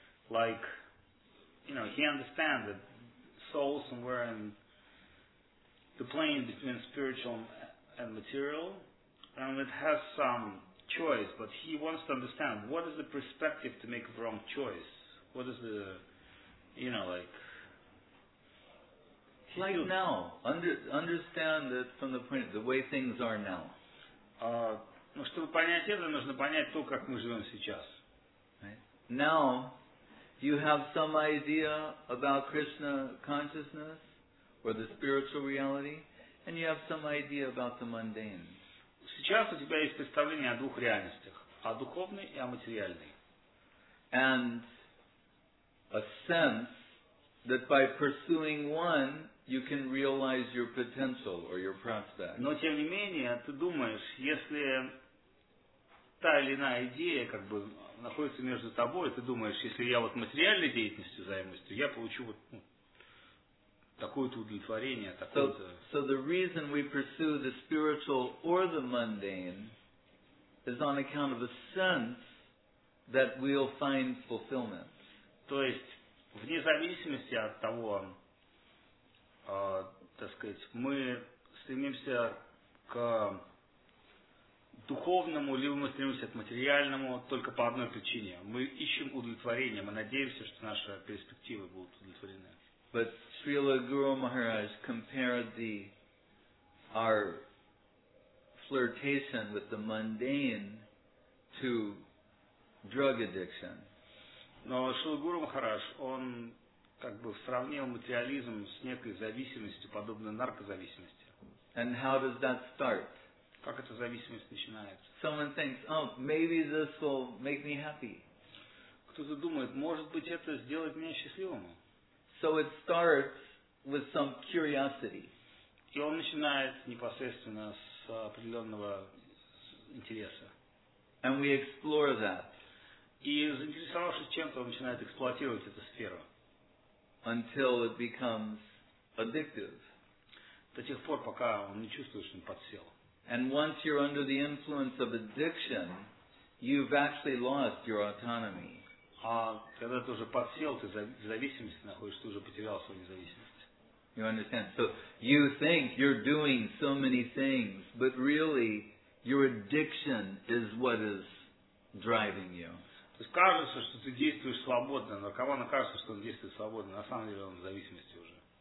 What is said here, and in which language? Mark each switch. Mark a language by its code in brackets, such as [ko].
[en] Like, you know, he understands that soul somewhere in the plane between spiritual and material, and it has some choice, but he wants to understand what is the perspective to make a wrong choice? What is the, you know, like... Like you, now. Understand that from the point of the way things are now. [ru] Ну, чтобы понять это, нужно понять то, как мы живем сейчас. [en] Right. Now, you have some idea about Krishna consciousness or the spiritual reality, and you have some idea about the mundane. [ru] Сейчас у тебя есть представление о двух реальностях, о духовной и о материальной. [en] And a sense that by pursuing one, you can realize your potential or your prospect. [ru] Но, тем не менее, ты думаешь, если... Та или иная идея как бы находится между тобой, ты думаешь, если я вот материальной деятельностью займусь, то я получу вот ну, такое-то удовлетворение, такое-то. [en] So the reason we pursue the spiritual or the mundane is on account of a sense that we'll find fulfillment. [ru] То есть, вне зависимости от того, так сказать, мы стремимся к духовному, либо мы стремимся к материальному только по одной причине. Мы ищем удовлетворение, мы надеемся, что наши перспективы будут удовлетворены. [en] But Srila Guru Maharaj compared our flirtation with the mundane to drug addiction. [ru] Но Srila Guru Maharaj, он как бы сравнил материализм с некой зависимостью, подобной наркозависимости. [en] And how does that start? [ru] Как эта зависимость начинается? [en] Someone thinks, oh, maybe this will make me happy. [ru] Кто-то думает, может быть, это сделает меня счастливым. [en] So it starts with some curiosity. [ru] И он начинает непосредственно с определенного интереса. [en] And we explore that. [ru] И заинтересовавшись чем-то, он начинает эксплуатировать эту сферу. [en] Until it becomes addictive. [ru] До тех пор, пока он не чувствует, что он подсел. [en] And once you're under the influence of addiction, you've actually lost your autonomy. [ru] А когда ты уже подсел, ты в зависимости находишься, ты уже потерял свою независимость. [en] You understand? So you think you're doing so many things, but really your addiction is what is driving you. [ru] То есть кажется, что ты действуешь свободно, но кому-то кажется, что он действует свободно, на самом деле он в зависимости уже.